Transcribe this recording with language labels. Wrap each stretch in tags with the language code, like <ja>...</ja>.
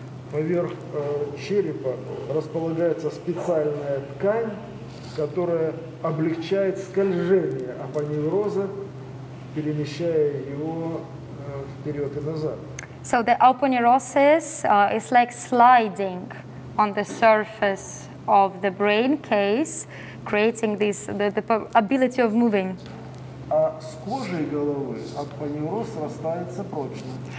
<ru>Поверх черепа располагается специальная ткань, которая облегчает скольжение апоневроза, перемещая его вперед и назад.</ru> <en>So the aponeurosis is like sliding on the surface of the brain case, creating this the ability of moving.</en> <ru>А с кожей головы апонеуроз срастается прочно.</ru>